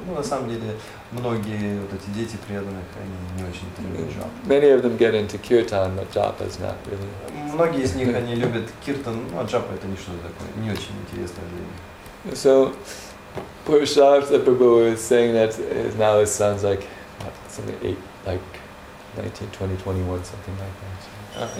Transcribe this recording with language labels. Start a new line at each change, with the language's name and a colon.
Russian: Ну, на самом деле, многие вот эти дети преданных, они не очень любят джапу.
English: Many of them get into kirtan, but japa is not really.
Russian: Многие из них, они любят киртан, ну, а джапа это не что-то такое, не очень интересное для них.
English: So, Purushartha Prabhu is saying that now his son's like, something eight, like 19, 20, 21, something like that.